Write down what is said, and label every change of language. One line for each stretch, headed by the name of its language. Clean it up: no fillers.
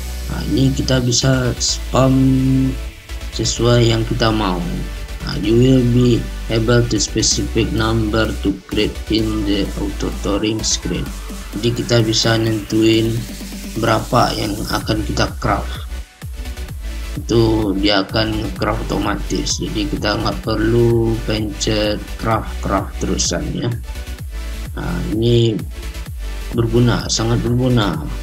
Indonesian: Nah, ini kita bisa spam sesuai yang kita mau.
English: Nah, you will be able to specific number to create in the auto touring screen.
Indonesian: Jadi kita bisa nentuin berapa yang akan kita craft. Itu dia akan craft otomatis. Jadi kita nggak perlu pencet craft terusan ya. Nah, ini berguna, sangat berguna.